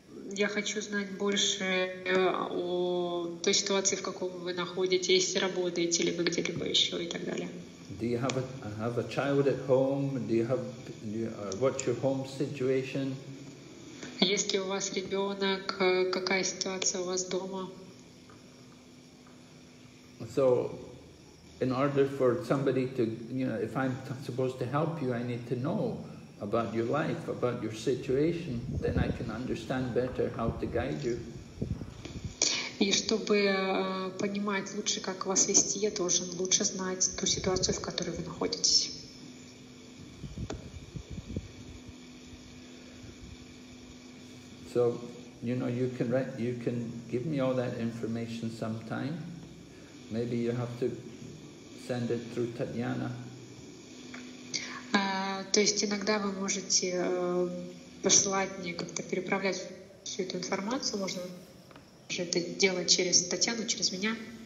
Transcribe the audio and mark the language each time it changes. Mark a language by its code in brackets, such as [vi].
[ru] Я хочу знать больше о той ситуации, в какой вы находитесь, работаете ли вы где-либо еще, и так далее. [en] Do you have a child at home? What's your home situation? [ru] Есть ли у вас ребенок? Какая ситуация у вас дома? [en] So, in order for somebody to, you know, if I'm supposed to help you, I need to know about your life, about your situation, then I can understand better how to guide you. [ru] И чтобы понимать лучше, как вас вести, я должен лучше знать ту ситуацию, в которой вы находитесь. [en] So, you know, you can give me all that information sometime. Maybe you have to send it through Tatiana. [ru] То есть иногда вы можете посылать мне, как-то переправлять всю эту информацию, можно же это делать через Татьяну, через меня.